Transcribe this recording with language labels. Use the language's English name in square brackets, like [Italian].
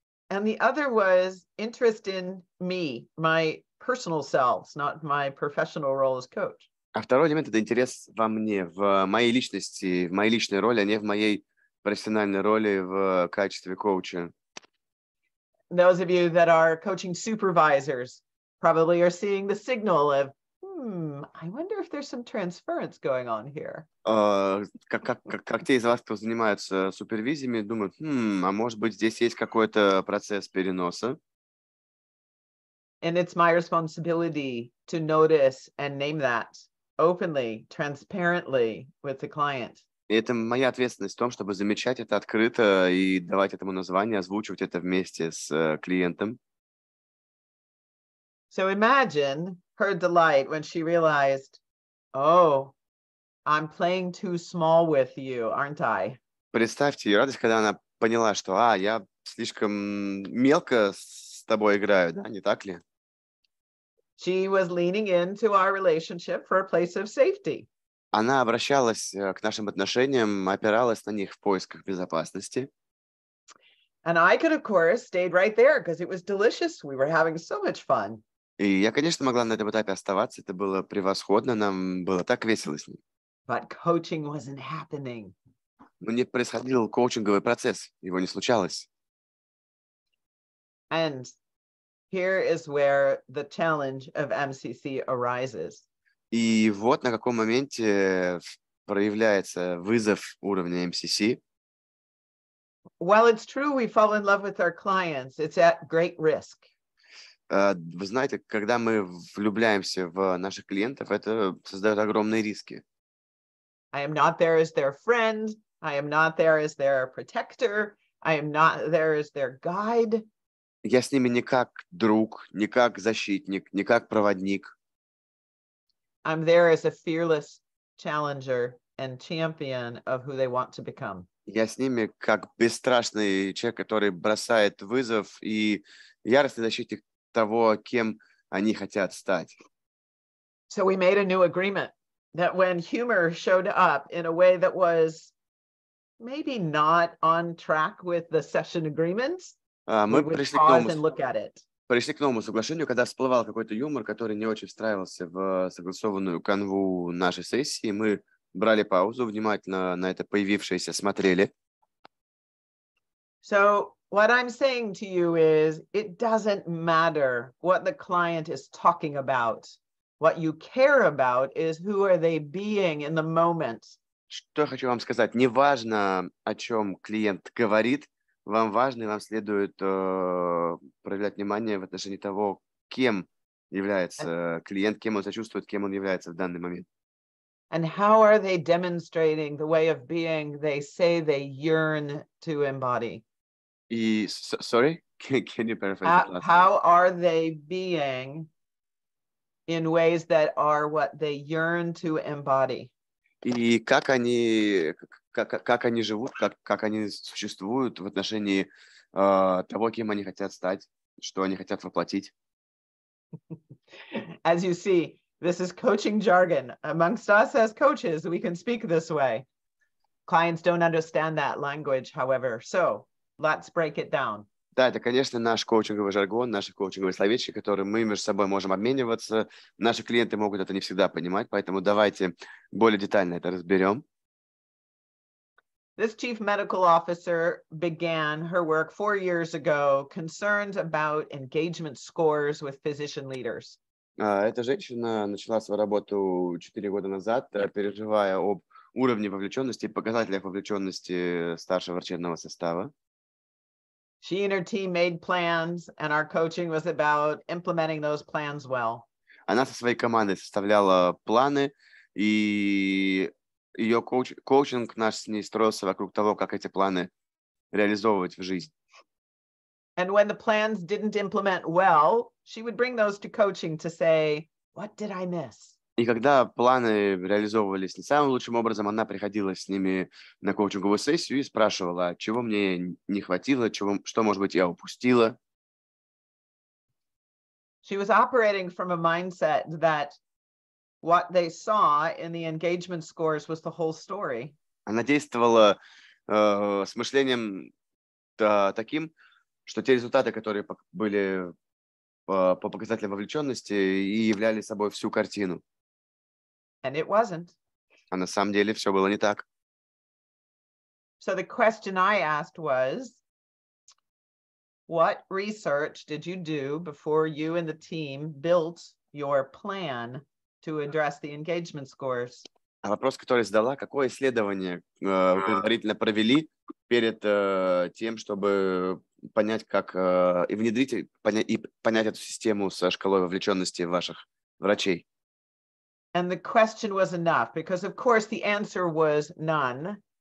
[English] And the other was interest in me, my personal self, not my professional role as coach. [Russian] А второй элемент — это интерес во мне, в моей личности, в моей личной роли, а не в моей профессиональной роли в качестве коуча. [English] Those of you that are coaching supervisors probably are seeing the signal of, I wonder if there's some transference going on here. [Russian] Как те из вас, кто занимаются супервизиями, думают, а может быть здесь есть какой-то процесс переноса? [English] And it's my responsibility to notice and name that openly, transparently with the client. [Russian] И это моя ответственность в том, чтобы замечать это открыто и давать этому название, озвучивать это вместе с клиентом. [English] So imagine her delight when she realized, oh, I'm playing too small with you, aren't I? [Russian] Представьте ее радость, когда она поняла, что, я слишком мелко с тобой играю, да, не так ли? [English] She was leaning into our relationship for a place of safety. [Russian] Она обращалась к нашим отношениям, опиралась на них в поисках безопасности. [English] And I could, of course, stayed right there, because it was delicious. We were having so much fun. [Russian] И я, конечно, могла на этом этапе оставаться. Это было превосходно. Нам было так весело с ним. [English] But coaching wasn't happening. [Russian] Но не происходил коучинговый процесс. Его не случалось. [English] And here is where the challenge of MCC arises. [Russian] И вот на каком моменте проявляется вызов уровня MCC. [English] Well, it's true we fall in love with our clients. It's at great risk. [Russian] Вы знаете, когда мы влюбляемся в наших клиентов, это создает огромные риски. [English] I am not there as their friend. I am not there as their protector. I am not there as their guide. [Russian] Я с ними не как друг, не как защитник, не как проводник. [English] I'm there as a fearless challenger and champion of who they want to become. [Russian] Я с ними как бесстрашный человек, который бросает вызов и яростный защитник того, кем они хотят стать. [English] So we made a new agreement that when humor showed up in a way that was maybe not on track with the session agreements, [Russian] мы пришли к новому, [English] and look at it. [Russian] Пришли к новому соглашению, когда всплывал какой-то юмор, который не очень встраивался в согласованную канву нашей сессии, мы брали паузу, внимательно на это появившееся смотрели. [English] So what I'm saying to you is, it doesn't matter what the client is talking about. What you care about is who are they being in the moment. [Russian] Что я хочу вам сказать, не важно, о чем клиент говорит, вам важно и вам следует проявлять внимание в отношении того, кем является клиент, кем он сочувствует, кем он является в данный момент. [English] And how are they demonstrating the way of being they say they yearn to embody? И, sorry, can you paraphrase that? How are they being in ways that are what they yearn to embody? [Russian] И как они, как они живут, как они существуют в отношении того, кем они хотят стать, что они хотят воплотить? [English] As you see, this is coaching jargon. Amongst us as coaches, we can speak this way. Clients don't understand that language, however. So, let's break it down. [Russian] Да, это, конечно, наш коучинговый жаргон, наши коучинговые словечки, которые мы между собой можем обмениваться. Наши клиенты могут это не всегда понимать, поэтому давайте более детально это разберем. [English] This chief medical officer began her work 4 years ago, concerned about engagement scores with physician leaders. [Russian] Эта женщина начала свою работу 4 года назад, переживая об уровне вовлеченности и показателях вовлеченности старшего врачебного состава. [English] She and her team made plans, and our coaching was about implementing those plans well. [Russian] Она со своей командой составляла планы, и ее коучинг наш с ней строился вокруг того, как эти планы реализовывать в жизнь. [English] And when the plans didn't implement well, she would bring those to coaching to say, "What did I miss?" [Russian] И когда планы реализовывались не самым лучшим образом, она приходила с ними на коучинговую сессию и спрашивала, чего мне не хватило, чего, что, может быть, я упустила. [English] She was operating from a mindset that what they saw in the engagement scores was the whole story. [Russian] Она действовала с мышлением таким, что те результаты, которые были по показателям вовлеченности, и являли собой всю картину. [English] And it wasn't. [Russian] А на самом деле все было не так. [English] So the question I asked was, what research did you do before you and the team built your plan to address the engagement scores? [Russian] А вопрос, который задала, какое исследование вы предварительно провели перед тем, чтобы понять, как и внедрить, и понять эту систему со шкалой вовлеченности ваших врачей? [English] And the question was enough, because, of course, the answer was none.